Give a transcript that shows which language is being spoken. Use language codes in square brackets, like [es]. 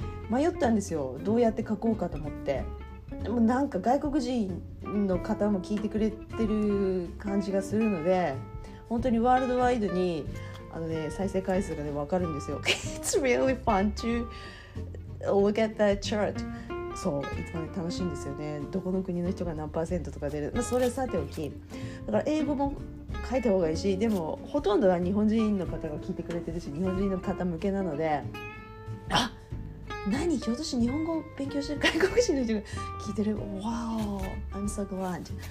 [ja] 迷ったんですよ。どうやって書こうかと思って。でもなんか外国人の方も聞いてくれてる感じがするので、本当にワールドワイドに再生回数が、ね、分かるんですよ。 [en] It's really fun to look at that chart. [ja] そう、いつも、ね、楽しいんですよね。どこの国の人が何パーセントとか出る、まあ、それさておき、だから英語も書いた方がいいし、でもほとんどは日本人の方が聞いてくれてるし、日本人の方向けなので、あ、何、ひょっとして日本語を勉強してる外国人の人が聞いてる、 [en] Wow, I'm so glad.